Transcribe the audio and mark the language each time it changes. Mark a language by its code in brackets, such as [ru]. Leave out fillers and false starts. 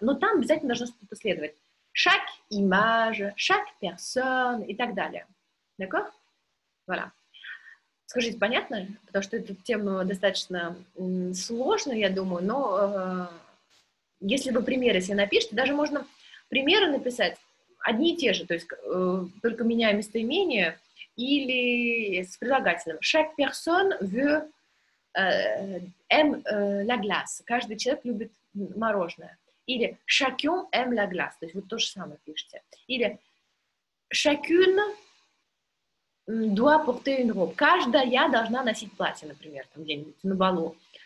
[ru] Но там обязательно должно что-то следовать. [fr] «Шак имаже», «шак персон» [ru] и так далее. [fr] Дакор? Вуаля. [ru] Скажите, понятно? Потому что эта тема достаточно сложная, я думаю, но если вы примеры себе напишете, даже можно примеры написать, одни и те же, то есть только меняя местоимение или с прилагательным. [fr] Chaque personne veut aime la glace. [ru] Каждый человек любит мороженое. Или [fr] chacun aime la glace. [ru] То есть вот то же самое пишете. Или [fr] chacune doit porter une robe. [ru] Каждая должна носить платье, например, там где-нибудь на балу.